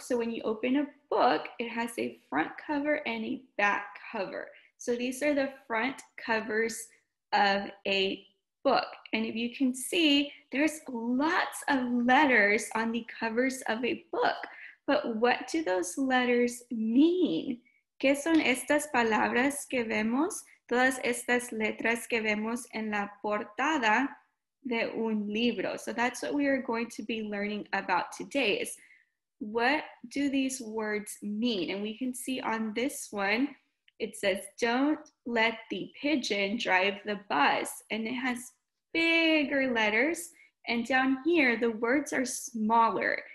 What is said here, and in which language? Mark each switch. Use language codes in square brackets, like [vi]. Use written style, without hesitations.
[en] So when you open a book, it has a front cover and a back cover. So these are the front covers of a book. And if you can see, there's lots of letters on the covers of a book. But what do those letters mean? [es] ¿Qué son estas palabras que vemos? Todas estas letras que vemos en la portada de un libro. [en] So that's what we are going to be learning about today, is what do these words mean? And we can see on this one, it says, don't let the pigeon drive the bus. And it has bigger letters. And down here, the words are smaller.